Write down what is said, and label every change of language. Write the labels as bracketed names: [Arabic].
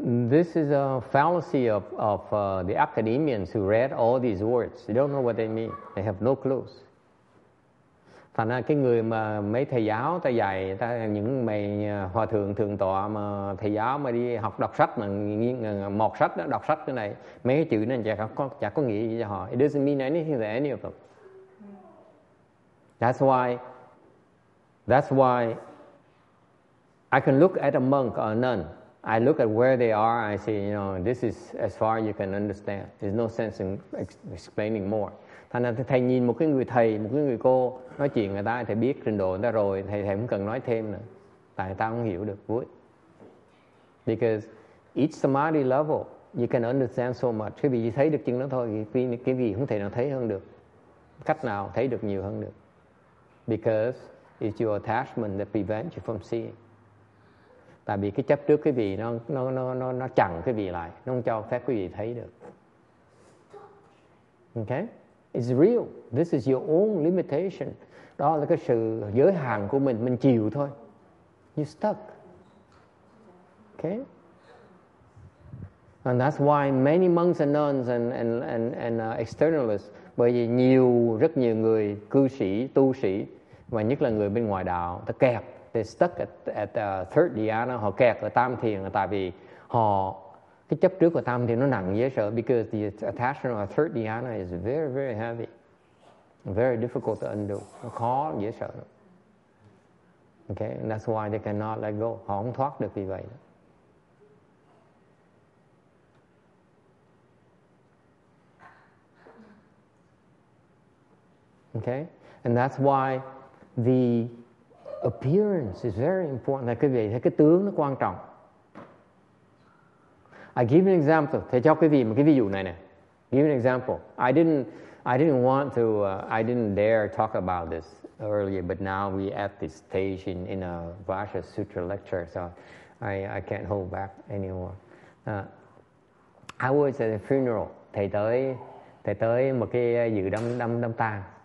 [English] This is a fallacy of the academians who read all these words. They don't know what they mean. They have no clues. [Vietnamese] Thành ra cái người mà mấy thầy giáo ta dạy, ta những mày hòa thượng thượng tọa mà thầy giáo mà đi học đọc sách mà một sách đó, đọc sách cái này mấy cái chữ này chả có nghĩa gì cho họ. [English] It doesn't mean anything to any of them. That's why I can look at a monk or a nun, I look at where they are, I say, you know, this is as far you can understand. There's no sense in explaining more. [Vietnamese] Thành ra thầy nhìn một cái người thầy, một cái người cô nói chuyện người ta, thầy biết trình độ người ta rồi, thầy không cần nói thêm nữa. Tại người ta không hiểu được. [English] Because each samadhi level, you can understand so much. [Vietnamese] Cái vị chỉ thấy được chừng đó thôi, cái vị không thể nào thấy hơn được. Cách nào thấy được nhiều hơn được. [English] Because it's your attachment that prevents you from seeing. [Vietnamese] Tại vì cái chấp trước cái vị nó chặn cái vị lại, nó không cho phép quý vị thấy được. [English] Okay? It's real. This is your own limitation. [Vietnamese] Đó là cái sự giới hạn của mình. Mình chịu thôi. [English] You're stuck. Okay? And that's why many monks and nuns and externalists, [Vietnamese] bởi vì nhiều, rất nhiều người cư sĩ, tu sĩ, và nhất là người bên ngoài đạo, ta kẹt. [English] They're stuck at the third dhyana. [Vietnamese] Họ kẹt ở tam thiền. Tại vì họ, cái chấp trước của tâm thì nó nặng dễ sợ, [English] because the attachment of a third dhyana is very, very heavy. Very difficult to undo. [Vietnamese] Nó khó dễ sợ. [English] Okay? And that's why they cannot let go. [Vietnamese] Họ không thoát được vì vậy. [English] Okay? And that's why the appearance is very important. [Vietnamese] Là cái vị, cái tướng nó quan trọng. [English] I give an example. [Vietnamese] Thầy cho quý vị một cái ví dụ này nè. [English] Give an example. I didn't dare talk about this earlier, but now we at this stage in a Vajra Sutra lecture, so I can't hold back anymore. I was at a funeral. [Vietnamese] Thầy tới một cái dự đám tang.